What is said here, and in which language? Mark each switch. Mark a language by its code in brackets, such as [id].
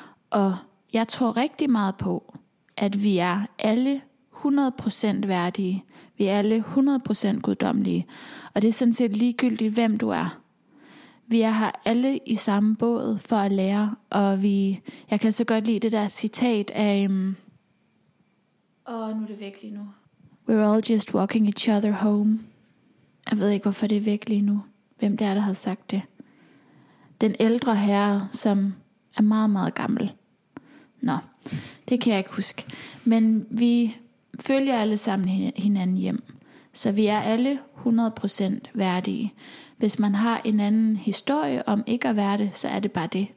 [da] Og jeg tror rigtig meget på, at vi er alle 100% værdige. Vi er alle 100% guddommelige. Og det er sådan set ligegyldigt, hvem du er. Vi er her alle i samme båd for at lære. Og jeg kan så godt lide det der citat af... nu er det væk lige nu. [en] We're all just walking each other home. [da] Jeg ved ikke, hvorfor det er væk lige nu. Hvem det er, der har sagt det. Den ældre herre, som er meget, meget gammel. Nå, det kan jeg ikke huske. Men vi følger alle sammen hinanden hjem. Så vi er alle 100% værdige. Hvis man har en anden historie om ikke at være det, så er det bare det.